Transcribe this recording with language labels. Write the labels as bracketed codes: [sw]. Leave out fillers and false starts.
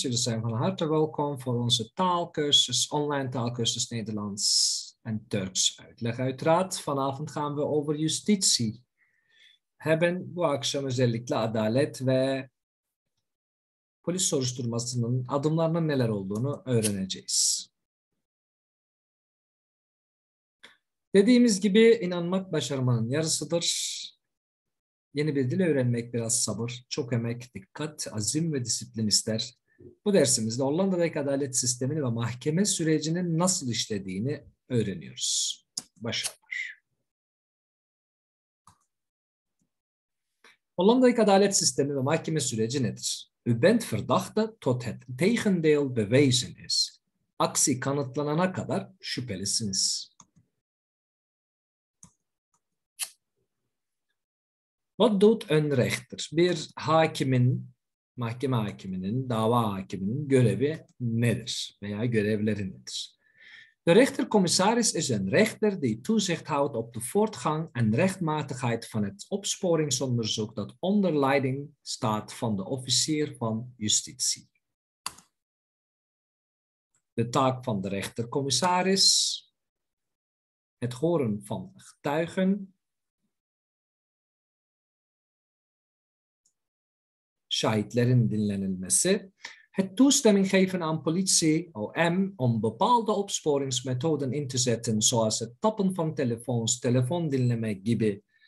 [nl] Jullie zijn van harte welkom voor onze taalkursus, online taalkursus Nederlands en Turks uitleg uiteraard. Vanavond gaan we over justitie hebben. [tr] Bu akşam özellikle adalet ve polis soruşturmasının adımlarının neler olduğunu öğreneceğiz. Dediğimiz gibi inanmak başarmanın yarısıdır. Yeni bir dil öğrenmek biraz sabır, çok emek, dikkat, azim ve disiplin ister. Bu dersimizde Hollanda'daki adalet sistemini ve mahkeme sürecinin nasıl işlediğini öğreniyoruz. Başlıyor. Hollanda'daki adalet sistemi ve mahkeme süreci nedir? [nl] U bent verdachte tot het tegendeel bewezen is. [tr] Aksi kanıtlanana kadar şüphelisiniz. [nl] Wat doet een rechter? [tr] Bir hakimin, mahkeme hakiminin, dava hakiminin görevi nedir? Veya görevleri nedir? [nl] De rechtercommissaris is een rechter die toezicht houdt op de voortgang en rechtmatigheid van het opsporingsonderzoek dat onder leiding staat van de officier van justitie. De taak van de rechtercommissaris, het horen van getuigen, [tr] şahitlerin dinlenilmesi, [nl] het toestemming geven aan politie, OM, om bepaalde opsporingsmethoden in te zetten, zoals het tappen van telefoons, [tr] telefoon dinleme gibi,